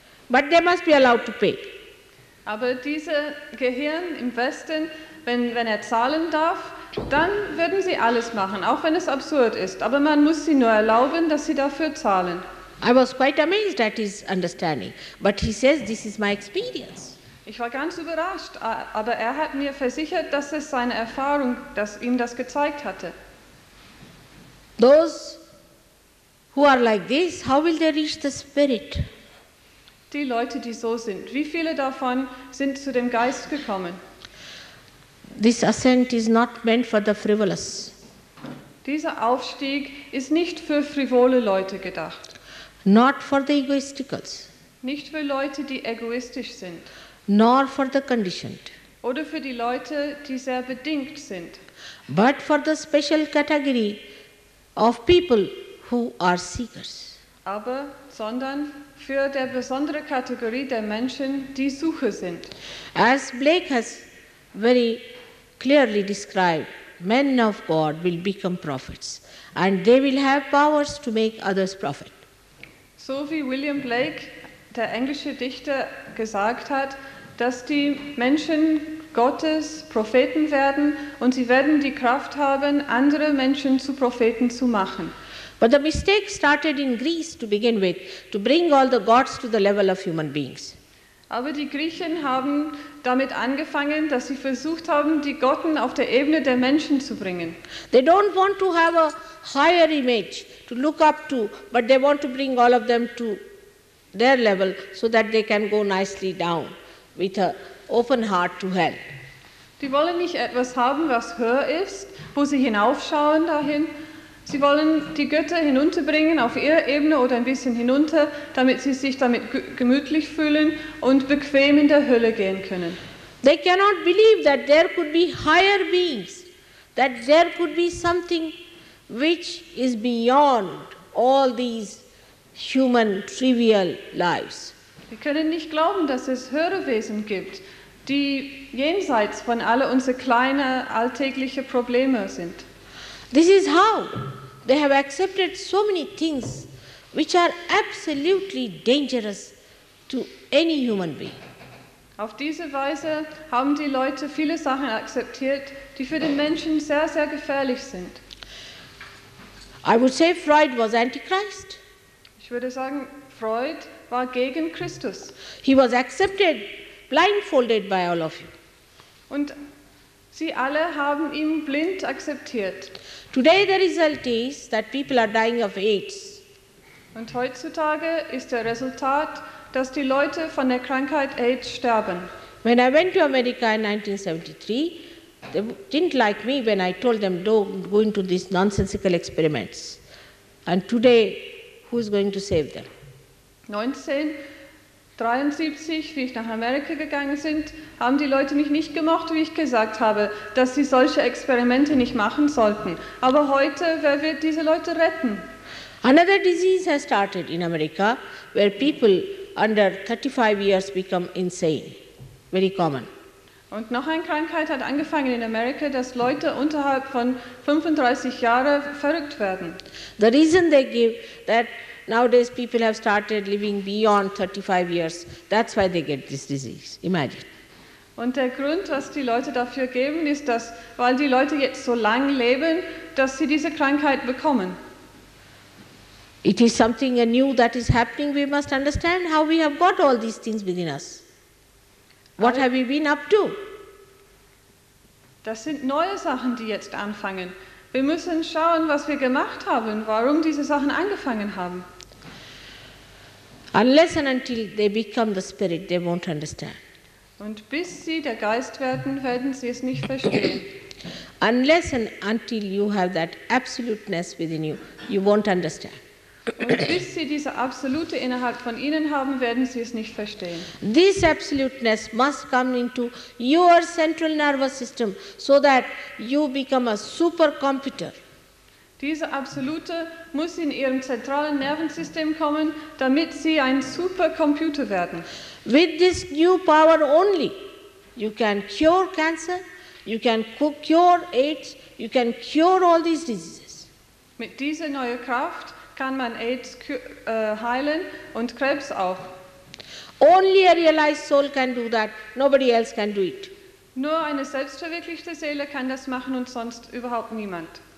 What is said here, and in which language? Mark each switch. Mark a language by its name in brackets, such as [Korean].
[English] But they must be allowed to pay. [German] Aber diese Gehirn im Westen, wenn er zahlen darf, dann würden sie alles machen, auch wenn es absurd ist. Aber man muss sie nur erlauben, dass sie dafür zahlen. [English] I was quite amazed at his understanding, but he says this is my experience. [German] Ich war ganz überrascht, aber er hat mir versichert, dass es seine Erfahrung, dass ihm das gezeigt hatte. [English] Those who are like this, how will they reach the spirit? [German] Die Leute, die so sind, wie viele davon sind zu dem Geist gekommen? [English] This ascent is not meant for the frivolous. [German] Dieser Aufstieg ist nicht für frivole Leute gedacht. [English] Not for the egoisticals. [German] Nicht für Leute, die egoistisch sind. [English] Nor for the conditioned. [German] Oder für die Leute, die sehr bedingt sind. [English] But for the special category of people who are seekers. [German] Aber, sondern für der besondere Kategorie der Menschen, die Sucher sind. [English] As Blake has very clearly described, men of God will become prophets and they will have powers to make others prophet. [German] So wie William Blake, der englische Dichter, gesagt hat, dass die Menschen Gottes Propheten werden und sie werden die Kraft haben, andere Menschen zu Propheten zu machen. [English] But the mistake started in Greece to begin with, to bring all the gods to the level of human beings. [German] Aber die Griechen haben damit angefangen, dass sie versucht haben, die Götter auf der Ebene der Menschen zu bringen. [English] They don't want to have a higher image to look up to, but they want to bring all of them to their level so that they can go nicely down with an open heart to hell. [German] Die wollen nicht etwas haben, was höher ist, wo sie hinaufschauen dahin. Sie wollen die Götter hinunterbringen auf ihre Ebene oder ein bisschen hinunter, damit sie sich damit gemütlich fühlen und bequem in der Hölle gehen können. [English] They cannot believe that there could be higher beings, that there could be something which is beyond all these human trivial lives. [German] Wir können nicht glauben, dass es höhere Wesen gibt, die jenseits von alle unsere kleinen alltäglichen Probleme sind. [English] This is how they have accepted so many things which are absolutely dangerous to any human being. [German] Auf diese Weise haben die Leute viele Sachen akzeptiert, die für den Menschen sehr, sehr gefährlich sind. [English] I would say Freud was Antichrist. [German] Ich würde sagen, Freud war gegen Christus. [English] He was accepted, blindfolded by all of you. [German] Und sie alle haben ihn blind akzeptiert. [English] Today the result is that people are dying of AIDS. [German] Und heutzutage ist der Resultat, dass die Leute von der Krankheit AIDS sterben. [English] When I went to America in 1973, they didn't like me when I told them, don't go into these nonsensical experiments. And today, who's going to save them? [German] 1973, wie ich nach Amerika gegangen bin, haben die Leute mich nicht gemocht, wie ich gesagt habe, dass sie solche Experimente nicht machen sollten. Aber heute, wer wird diese Leute retten? [English] Another disease has started in America, where people under 35 years become insane. Very common. [German] Und noch eine Krankheit hat angefangen in Amerika, dass Leute unterhalb von 35 Jahren verrückt werden. [English] The reason they give that nowadays people have started living beyond 35 years, that's why they get this disease. Imagine. [German] Und der Grund, was die Leute dafür geben, ist, dass weil die Leute jetzt so lang leben, dass sie diese Krankheit bekommen. [English] It is something new that is happening. We must understand how we have got all these things within us. What have we been up to? [German] Das sind neue Sachen, die jetzt anfangen. Wir müssen schauen, was wir gemacht haben, warum diese Sachen angefangen haben. [English] Unless and until they become the spirit, they won't understand. [German] Und bis sie der Geist werden, werden sie es nicht verstehen. [English] Unless and until you have that absoluteness within you, you won't understand. [German] Und bis sie diese absolute innerhalb von ihnen haben, werden sie es nicht verstehen. [English] This absoluteness must come into your central nervous system, so that you become a supercomputer. [German] Diese absolute muss in ihrem zentralen Nervensystem kommen, damit sie ein Supercomputer werden. [English] With this new power only, you can cure cancer, you can cure AIDS, you can cure all these diseases. [German] Mit dieser neue Kraft kann man AIDS heilen und Krebs auch. [English] Only a realized soul can do that. Nobody else can do it. [German] Nur eine selbstverwirklichte Seele kann das machen und sonst überhaupt niemand.